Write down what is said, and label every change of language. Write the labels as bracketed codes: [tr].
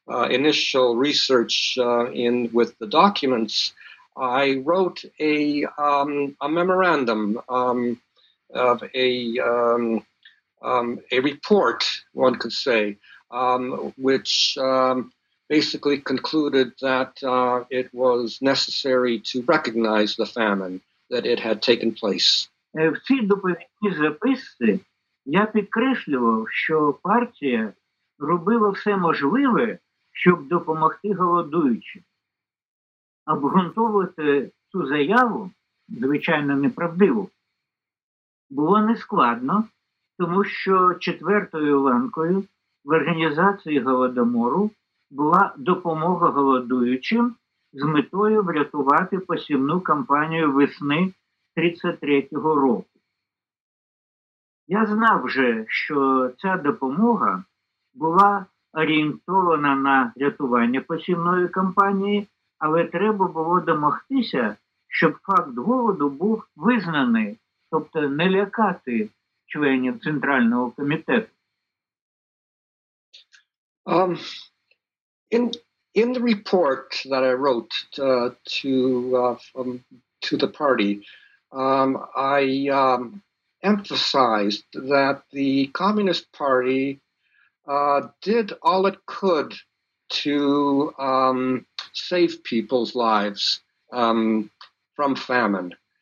[en] initial research in with the documents, I wrote a memorandum of a report, one could say, which basically concluded that it was necessary to recognize the famine that it had taken place. [uk] В цій доповідній записці я підкреслював, що партія робила все можливе, щоб допомогти голодуючим. Обґрунтовувати цю заяву, звичайно, неправдиву, було нескладно, тому що четвертою ланкою в організації Голодомору була допомога голодуючим з метою врятувати посівну кампанію весни 33-го року. Я знав вже, що ця допомога була орієнтована на рятування посівної кампанії, але треба було домогтися, щоб факт голоду був визнаний, тобто не лякати членів Центрального комітету. [en] In the report that I wrote to the party, I emphasized that the Communist Party did all it could to save people's lives from famine.